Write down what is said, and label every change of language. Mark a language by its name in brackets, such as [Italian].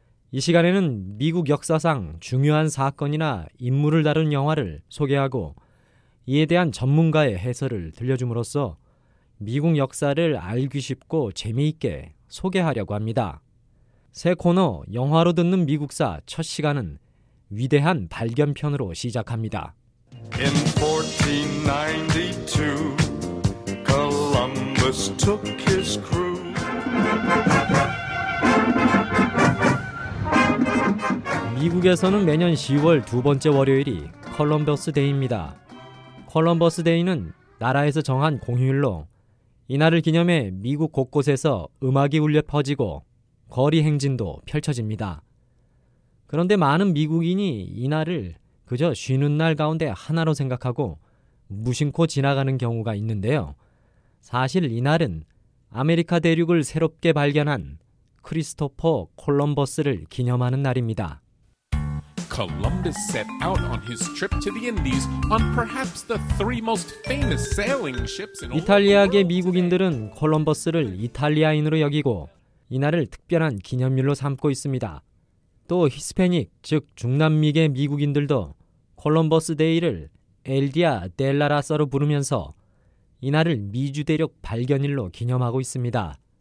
[Korean] 이 시간에는 미국 역사상 중요한 사건이나 인물을 다룬 영화를 소개하고 이에 대한 전문가의 해설을 들려줌으로써 미국 역사를 알기 쉽고 재미있게 소개하려고 합니다. 새 코너 영화로 듣는 미국사 첫 시간은 위대한 발견편으로 시작합니다. [English] In 1492, Columbus took his crew. [Korean] 미국에서는 매년 10월 두 번째 월요일이 컬럼버스 데이입니다. 컬럼버스 데이는 나라에서 정한 공휴일로 이날을 기념해 미국 곳곳에서 음악이 울려 퍼지고 거리 행진도 펼쳐집니다. 그런데 많은 미국인이 이날을 그저 쉬는 날 가운데 하나로 생각하고 무심코 지나가는 경우가 있는데요. 사실 이날은 아메리카 대륙을 새롭게 발견한 크리스토퍼 콜럼버스를 기념하는 날입니다. [English] Columbus set out on his trip to the Indies on perhaps the three most famous sailing ships in all. [Korean] 이탈리아계 미국인들은 콜럼버스를 이탈리아인으로 여기고 이날을 특별한 기념일로 삼고 있습니다. 또 히스패닉, 즉 중남미계 미국인들도 콜럼버스 데이를 엘디아 델라라사로 부르면서 이날을 미주 대륙 발견일로 기념하고 있습니다.